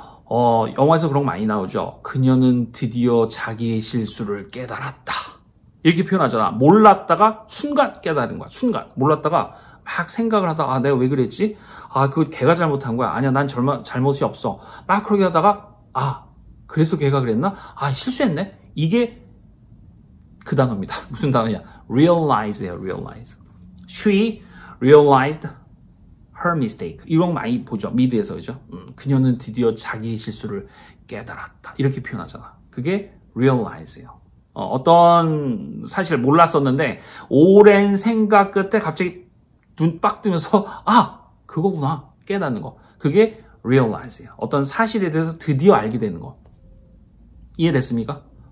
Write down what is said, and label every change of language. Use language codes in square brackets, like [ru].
[ko] 영화에서 그런 거 많이 나오죠. 그녀는 드디어 자기의 실수를 깨달았다. 이렇게 표현하잖아. 몰랐다가 순간 깨달은 거야. 순간. 몰랐다가 막 생각을 하다가 아, 내가 왜 그랬지? 아, 그거 걔가 잘못한 거야. 아니야, 난 잘못이 없어. 막 그렇게 하다가 아, 그래서 걔가 그랬나? 아, 실수했네. 이게 그 단어입니다. 무슨 단어냐? [en] realize예요, realize. She realized her mistake. [ko] 이런 거 많이 보죠. 미드에서, 그죠? 그녀는 드디어 자기의 실수를 깨달았다. 이렇게 표현하잖아. 그게 realize예요. 어떤 사실 몰랐었는데, 오랜 생각 끝에 갑자기 눈 빡 뜨면서, 아! 그거구나. 깨닫는 거. 그게 realize예요. 어떤 사실에 대해서 드디어 알게 되는 거. 이해됐습니까?